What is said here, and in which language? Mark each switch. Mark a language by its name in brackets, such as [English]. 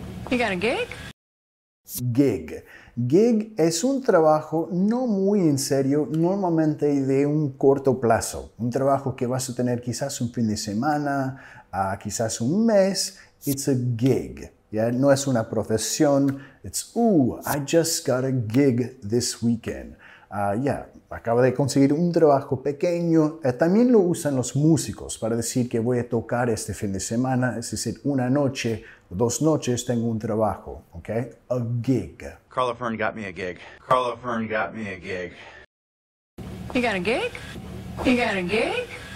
[English] You got a gig? Gig. [Spanish] Gig es un trabajo no muy en serio, normalmente de un corto plazo. Un trabajo que vas a tener quizás un fin de semana, quizás un mes. [English] It's a gig. Yeah? [Spanish] No es una profesión. [English] It's, ooh, I just got a gig this weekend. [Spanish] Acabo de conseguir un trabajo pequeño. También lo usan los músicos para decir que voy a tocar este fin de semana. Es decir, una noche o dos noches tengo un trabajo. [English] Okay? A gig. Carla Fern got me a gig. Carla Fern got me a gig. You got a gig? You got a gig?